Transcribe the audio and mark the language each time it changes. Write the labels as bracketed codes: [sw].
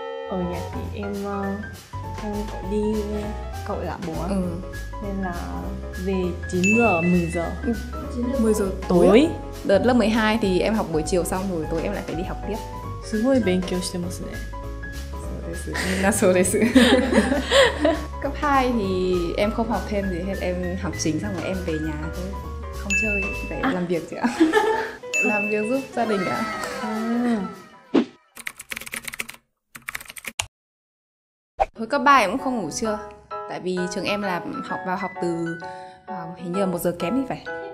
[vi] Ở nhà thì em cậu đi cậu là bố. Ừ. Nên là về 9 giờ, 10 giờ. 10 giờ tối. Đợt lớp 12 thì em học buổi chiều xong rồi tối em lại phải đi học tiếp. Sự ngôi bên kêu [ja] してますね. そうです。みんなそうです. [vi] Cấp 2 thì em không học thêm gì hết, em học chính xong rồi em về nhà thôi. Không chơi, phải làm việc chứ ạ. làm việc giúp gia đình ạ. Hồi cấp 3 em cũng không ngủ trưa. Tại vì trường em là học vào học từ hình như là 1 giờ kém thì phải.